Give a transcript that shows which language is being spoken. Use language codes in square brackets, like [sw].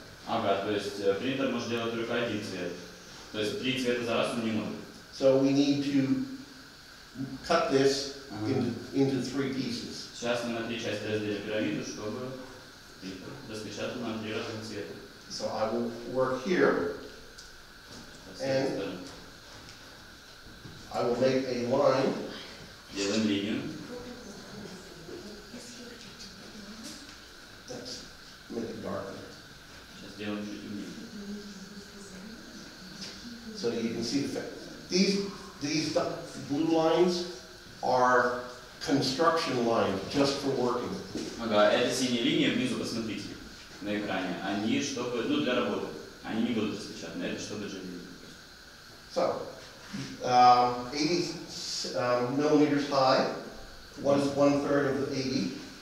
[ru] Ага, то есть принтер может делать только один цвет. То есть три цвета за раз он не может. [en] So we need to cut this into three pieces. [ru] Сейчас мы на три части разделим пирамиду, чтобы принтер распечатал нам три разных цвета. [en] So I will work here. And I will make a line. [ru] Делаем линию. [en] Let's make it darker. [ru] Сейчас делаем чуть темнее. [en] So you can see the fact. These blue lines are construction lines just for working. [ru] Ага, это синие линии внизу, посмотрите на экране. Они чтобы, ну для работы. Они не будут распечатаны, это чтобы жить. [en] So. 80 millimeters high. What is 1/3 of 80?